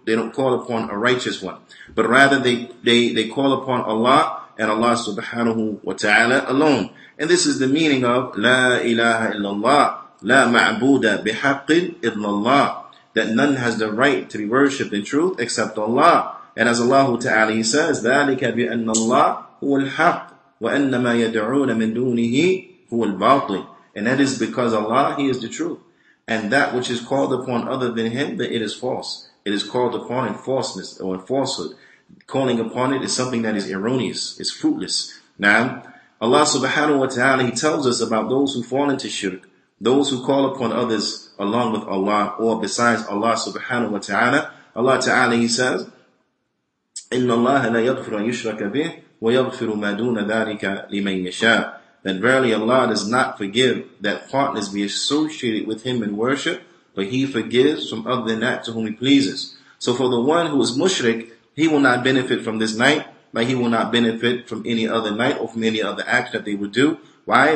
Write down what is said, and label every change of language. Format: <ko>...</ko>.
<en>They don't call upon a righteous one. But rather they call upon Allah and Allah subhanahu wa ta'ala alone. And this is the meaning of La ilaha illallah.</en> <ar>La ma'buda bihaqqin illallah.</ar> <en>That none has the right to be worshipped in truth except Allah. And as Allah ta'ala, He says,</en> <ar>ذَلِكَ بِأَنَّ اللَّهُ هُوَ الْحَقِّ وَأَنَّ مَا يَدْعُونَ مِن دُونِهِ هُوَ الْبَاطِلِ.</ar> <en>And that is because Allah, He is the truth. And that which is called upon other than Him, that it is false. It is called upon in falseness or in falsehood. calling upon it is something that is erroneous, is fruitless. Now, Allah subhanahu wa ta'ala, He tells us about those who fall into shirk, those who call upon others along with Allah or besides Allah subhanahu wa ta'ala. Allah ta'ala, He says,</en> <ar>إِنَّ اللَّهَ لَا يَغْفِرُ أَنْ يُشْرَكَ بِهِ وَيَغْفِرُ مَا دُونَ ذَٰلِكَ لِمَنْ يَشَاءُ.</ar> <en>That verily Allah does not forgive that partners be associated with Him in worship, but He forgives from other than that to whom He pleases. So for the one who is mushrik, he will not benefit from this night, but he will not benefit from any other night or from any other action that they would do. Why?</en>